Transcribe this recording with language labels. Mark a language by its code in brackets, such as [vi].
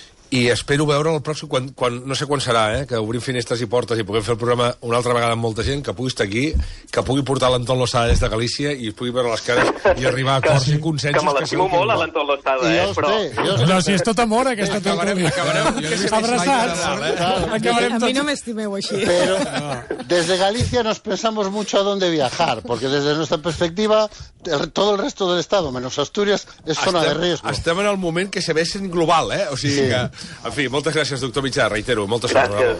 [ca] I espero veure el pròxim, quan no sé quan serà, que obrim finestres i portes i puguem fer el programa una altra vegada amb molta gent, que pugui estar aquí, que pugui portar l'Anton Lozada des de Galícia i pugui veure les cares i arribar a acords i consensos. Que me l'estimo molt, l'Anton Lozada, però... No, si és tot amor, aquesta teva entrevista. Abraçats. Acabarem tots. A mi no m'estimeu així. Però des de Galícia [es] nos pensamos mucho a dónde viajar, porque desde nuestra perspectiva todo el resto del estado, menos Asturias, es zona de riesgo. [ca] Estem en el moment que se vegin global, o sigui que... En fi, moltes gràcies, doctor Mitjà, reitero, moltes gràcies.